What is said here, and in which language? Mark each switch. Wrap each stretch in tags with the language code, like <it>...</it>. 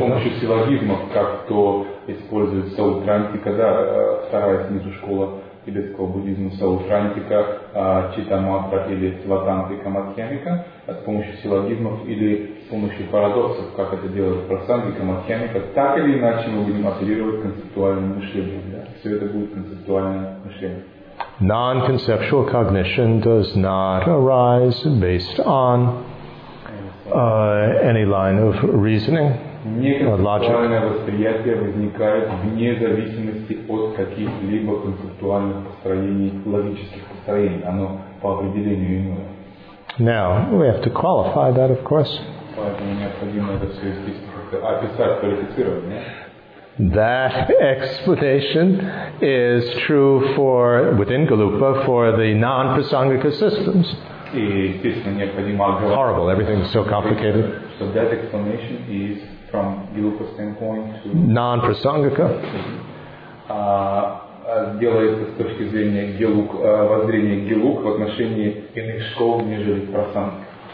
<ru>С помощью силлогизмов, как то использует Саутрантика, да, вторая снизу школа тибетского буддизма, Саутрантика, Читамата или Сватантика Матхьямика, с помощью силлогизмов или с помощью парадоксов, как это делают Прасангика Матхьямика, так или иначе мы будем оперировать концептуальным мышлением. Да? Все это будет концептуальное мышление.</ru> <en>Non-conceptual cognition does not arise based on any line of reasoning or logic.</en> <ru>Неконцептуальное восприятие возникает вне зависимости от каких-либо концептуальных построений, логических построений. Оно по определению иное.</ru> <en>Now, we have to qualify that, of course.</en> <ru>Поэтому необходимо это все описать, квалифицировать, нет?</ru> <en>That explanation is true for within Galupa for the non-prasangika systems. horrible. Everything is so complicated. So that explanation is, from Gilupa standpoint, non-prasangika.</en> <ru>Делается с точки зрения Гилук, воззрения Гилук в отношении иных школ, нежели прасангика.</ru>